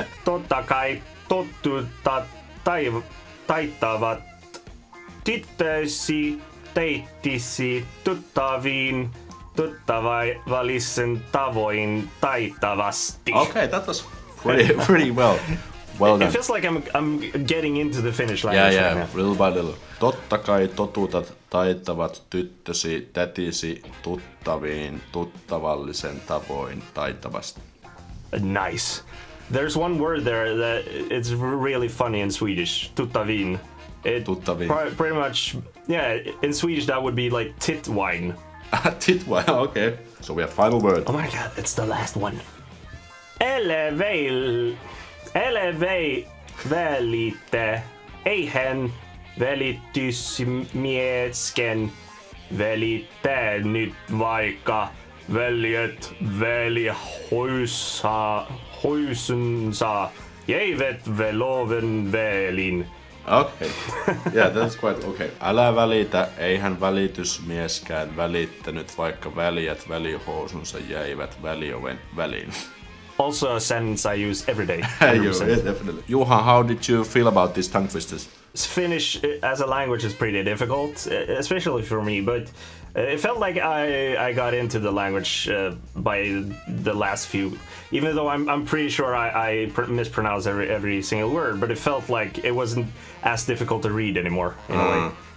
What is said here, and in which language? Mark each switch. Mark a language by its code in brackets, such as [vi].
[fi] Totta kai tottuutta taitavat tyttöisi, teittisi, tuttaviin, tuttavallisen tavoin taitavasti. [en] Okay, that was pretty well. Well done. It feels like I'm getting into the Finnish language. Yeah, yeah, right, little by little. [fi] Totta kai totutat taitavat tyttösi, tätisi, tuttaviin, tuttavallisen tavoin, taitavasti. [en] Nice. There's one word there that it's really funny in Swedish. [fi] Tuttaviin. Tuttaviin. [en] Pretty much, yeah, in Swedish that would be like tit wine. Tit wine, okay. So we have final word. Oh my god, it's the last one. [fi] Elevelite, eihän välitysmiesken välitä nyt vaikka veljet välihuysunsa jäivät veloven välin [en] Okei. Okay. Yeah, that's quite okay. [fi] Älä välitä, eihän välitysmieskään välittänyt, vaikka väljät välihousunsa jäivät välioven väliin. [en] Also a sentence I use every day. Definitely. Juha, how did you feel about these tongue twisters? Finnish as a language is pretty difficult, especially for me, but it felt like I got into the language by the last few, even though I'm pretty sure I mispronounce every single word, but it felt like it wasn't as difficult to read anymore, in a way.